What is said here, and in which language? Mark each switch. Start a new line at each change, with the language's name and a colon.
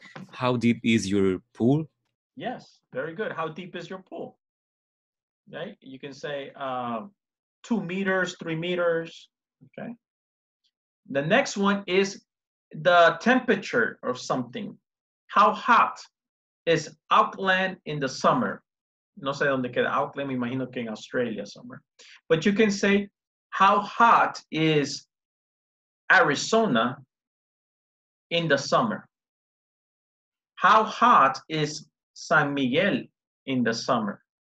English: How deep is your pool? Yes, very good. How deep is your pool? Right? You can say 2 meters, 3 meters. Okay. The next one is the temperature of something. How hot is Auckland in the summer?
Spanish: No sé dónde queda Auckland, me imagino que en Australia somewhere.
English: But you can say, how hot is Arizona in the summer? How hot is San Miguel in the summer?